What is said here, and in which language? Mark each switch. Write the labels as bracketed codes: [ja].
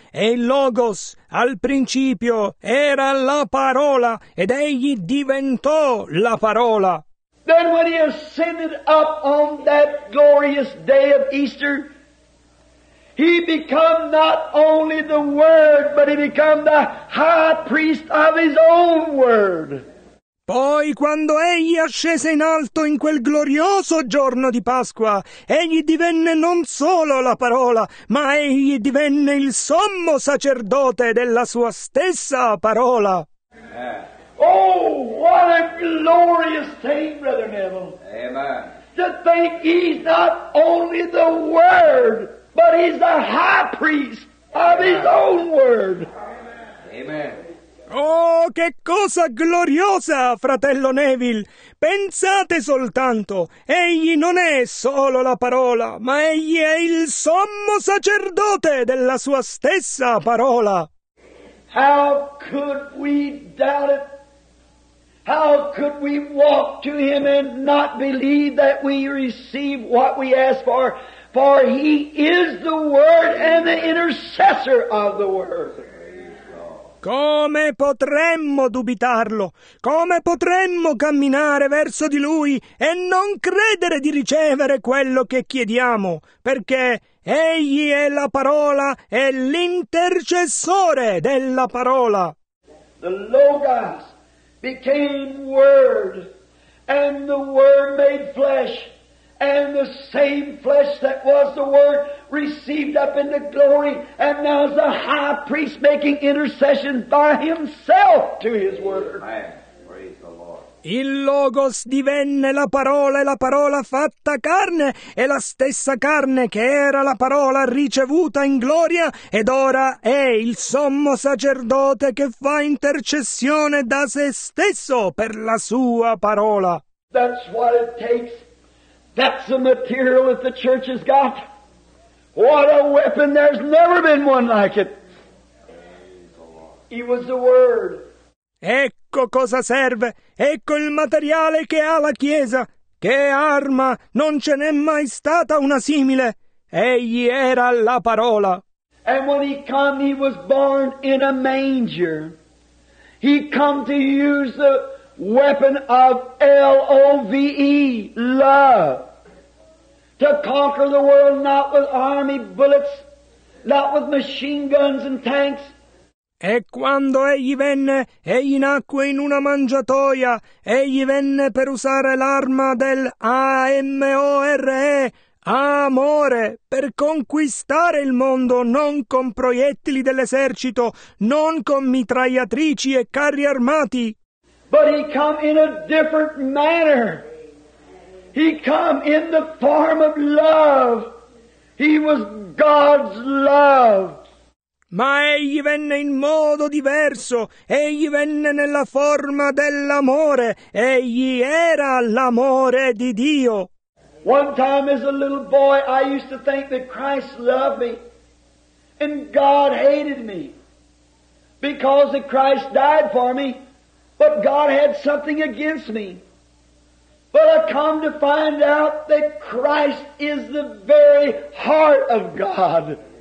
[it] E il Logos al principio era la parola, ed egli diventò la parola. [en] Then when he ascended up on that glorious day of Easter, he became not only the Word, but he became the high priest of his own Word. [it] Poi, quando egli ascese in alto in quel glorioso giorno di Pasqua, egli divenne non solo la parola, ma egli divenne il sommo sacerdote della sua stessa parola. [en] Oh, what a glorious thing, Brother Neville. Amen. To think he's not only the Word, but he's the high priest of his own word. Amen. [it] Oh, che cosa gloriosa, fratello Neville! Pensate soltanto, egli non è solo la parola, ma egli è il sommo sacerdote della sua stessa parola. [en] How could we doubt it? How could we walk to him and not believe that we receive what we ask for? For he is the Word and the intercessor of the Word. [it] Come potremmo dubitarlo? Come potremmo camminare verso di lui e non credere di ricevere quello che chiediamo? Perché egli è la parola e l'intercessore della parola. [en] The Logos became Word, and the Word made flesh. And the same flesh that was the Word received up into glory, and now is the high priest making intercession by himself to his Word. Amen. Praise the Lord. [it] Il Logos divenne la parola, e la parola fatta carne, e la stessa carne che era la parola ricevuta in gloria, ed ora è il sommo sacerdote che fa intercessione da se stesso per la sua parola. [en] That's what it takes. That's the material that the church has got. What a weapon! There's never been one like it. He was the Word. [it] Ecco cosa serve. Ecco il materiale che ha la Chiesa. Che arma! Non ce n'è mai stata una simile. Egli era la parola. [en] And when he came, he was born in a manger. He came to use the weapon of L-O-V-E, love. To conquer the world not with army bullets, not with machine guns and tanks. [it] E quando egli venne, egli nacque in una mangiatoia, egli venne per usare l'arma del A-M-O-R-E, amore, per conquistare il mondo, non con proiettili dell'esercito, non con mitragliatrici e carri armati. [en] But he come in a different manner. He come in the form of love. He was God's love. [it] Ma egli venne in modo diverso. Egli venne nella forma dell'amore. Egli era l'amore di Dio. [en] One time as a little boy, I used to think that Christ loved me and God hated me because that Christ died for me, but God had something against me. But I come to find out that Christ is the very heart of God.